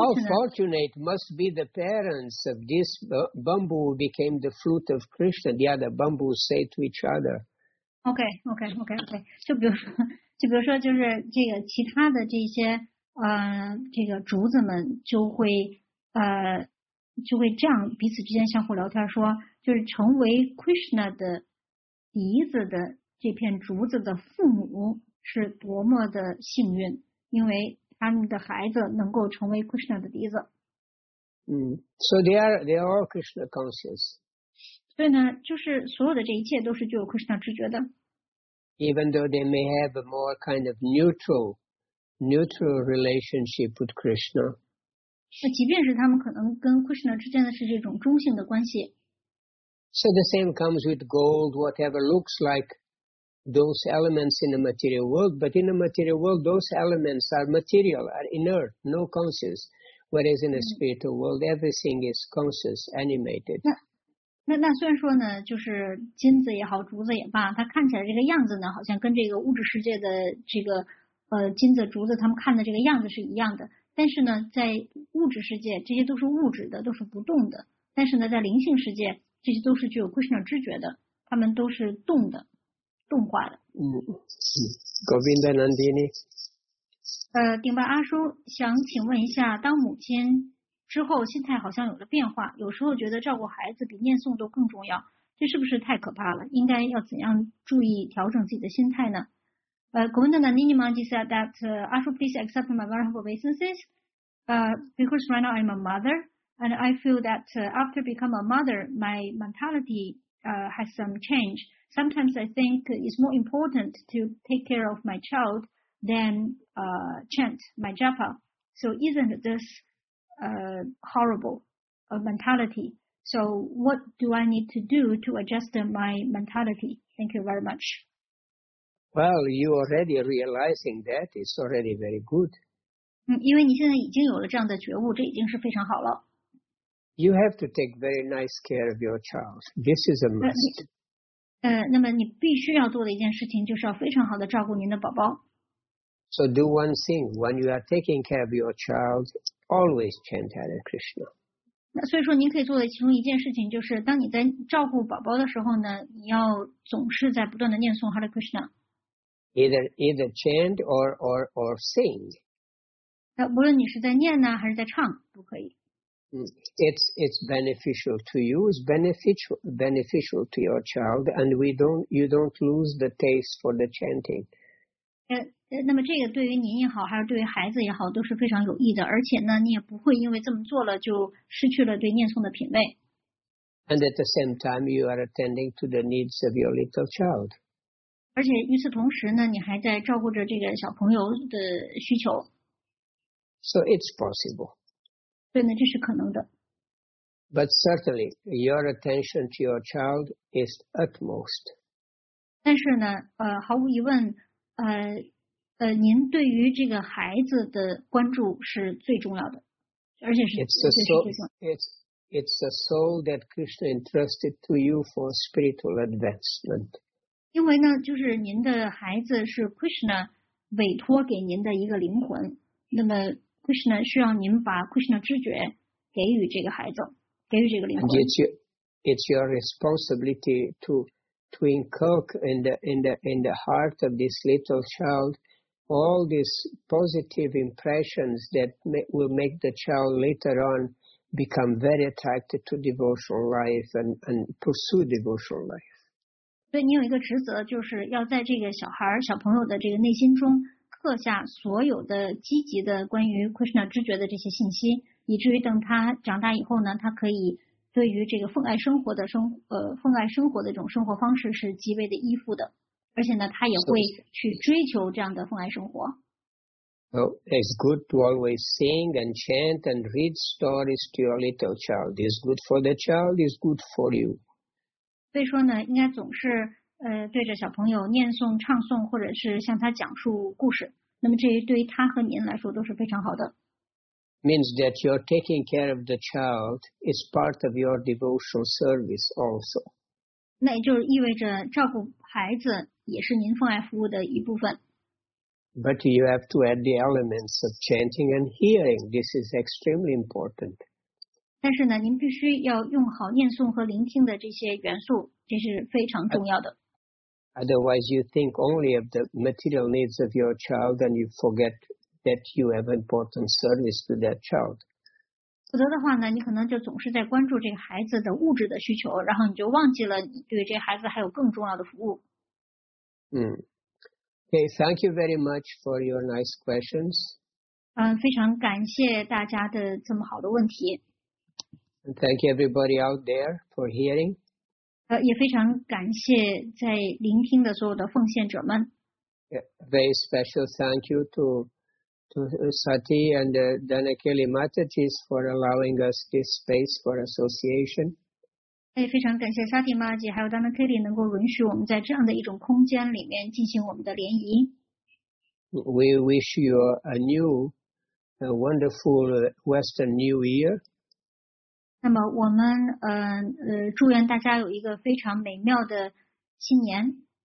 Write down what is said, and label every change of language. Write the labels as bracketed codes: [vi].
[en] fortunate must be the parents of this bamboo became the fruit of Krishna? The other bamboos say to each other. Okay. [zh] 就比如说，就是这个其他的这些竹子们就会这样彼此之间相互聊天说，就是成为 Krishna 的笛子的这片竹子的父母是多么的幸运，因为他们的孩子能够成为 Krishna 的笛子。 [en] So they are all Krishna conscious. [zh] 所以呢，就是所有的这一切都是具有 Krishna 知觉的。 [en] Even though they may have a more kind of neutral relationship with Krishna. [zh] 那即便是他们可能跟 Krishna 之间的是这种中性的关系。 [en] So the same comes with gold, whatever looks like those elements in the material world, but in the material world, those elements are material, are inert, no conscious. Whereas in the spiritual world, everything is conscious, animated. [zh] 那虽然说呢，就是金子也好，竹子也罢，它看起来这个样子呢，好像跟这个物质世界的这个金子、竹子他们看的这个样子是一样的。但是呢，在物质世界，这些都是物质的，都是不动的。但是呢，在灵性世界，这些都是具有 Krishna 知觉的，他们都是动的，动化的。 [en] Govinda Nandini. [zh] 顶巴阿叔想请问一下，当母亲之后，心态好像有了变化，有时候觉得照顾孩子比念诵都更重要，这是不是太可怕了？应该要怎样注意调整自己的心态呢？ [en] Govinda Nandini Maji said that, Ashu, please accept my vulnerable weaknesses, because right now I'm a mother, and I feel that after become a mother, my mentality has some change. Sometimes I think it's more important to take care of my child than chant my japa. So isn't this horrible mentality? So what do I need to do to adjust my mentality? Thank you very much. Well, you already realizing that is already very good. [zh] 因为你现在已经有了这样的觉悟，这已经是非常好了。 [en] You have to take very nice care of your child. This is a must. [zh] 那么你必须要做的一件事情就是要非常好的照顾您的宝宝。 [en] So do one thing. When you are taking care of your child, always chant Hare Krishna. [zh] 那所以说您可以做的其中一件事情就是当你在照顾宝宝的时候呢，你要总是在不断的念诵 Hare Krishna。 [en] Either chant or sing. [zh] 无论你是在念呢还是在唱都可以。 [en] It's beneficial to you, it's beneficial to your child, and you don't lose the taste for the chanting. [zh] 那么这个对于您也好还是对于孩子也好都是非常有益的，而且呢你也不会因为这么做了就失去了对念诵的品味。 [en] And at the same time, you are attending to the needs of your little child. [zh] 而且与此同时呢你还在照顾着这个小朋友的需求。 [en] So it's possible. [zh] 对呢，这是可能的。 [en] But certainly, your attention to your child is utmost. [zh] 但是呢，毫无疑问，您对于这个孩子的关注是最重要的，而且是最重要的。 [en] It's a soul that Krishna entrusted to you for spiritual advancement. [zh] 因为呢，就是您的孩子是 Krishna 委托给您的一个灵魂，那么。 Krishna 需要您把 Krishna 知觉给予这个孩子，给予这个灵魂。 [en] And it's your responsibility to inculcate in the heart of this little child all these positive impressions that will make the child later on become very attracted to devotional life and pursue devotional life. [zh] 对，你有一个职责，就是要在这个小孩小朋友的这个内心中。刻下所有的积极的关于 Krishna 知觉的这些信息，以至于等他长大以后呢，他可以对于这个奉爱生活的奉爱生活的这种生活方式是极为的依附的，而且呢，他也会去追求这样的奉爱生活。 [en] So, it's good to always sing and chant and read stories to your little child. It's good for the child. It's good for you. [zh] 所以说呢，应该总是。对着小朋友念诵、唱诵，或者是向他讲述故事，那么这对于他和您来说都是非常好的。 [en] Means that you're taking care of the child is part of your devotional service also. [zh] 那也就意味着照顾孩子也是您奉爱服务的一部分。 [en] But you have to add the elements of chanting and hearing. This is extremely important. [zh] 但是呢，您必须要用好念诵和聆听的这些元素，这是非常重要的。 [en] Otherwise, you think only of the material needs of your child, and you forget that you have important service to that child. [zh] 否则的话呢，你可能就总是在关注这个孩子的物质的需求，然后你就忘记了你对这孩子还有更重要的服务。 [en] Okay, thank you very much for your nice questions. [zh] 非常感谢大家的这么好的问题。 [en] And thank you everybody out there for hearing. [zh] 也非常感谢在聆听的所有的奉献者们。 [en] Yeah, very special thank you to Sati and Danakeli Matajis for allowing us this space for association. [zh] 也非常感谢 Sati Maji 还有 Danakeli 能够允许我们在这样的一种空间里面进行我们的联谊。 [en] We wish you a new, a wonderful Western New Year. [zh] 那么我们祝愿大家有一个非常美妙的新年。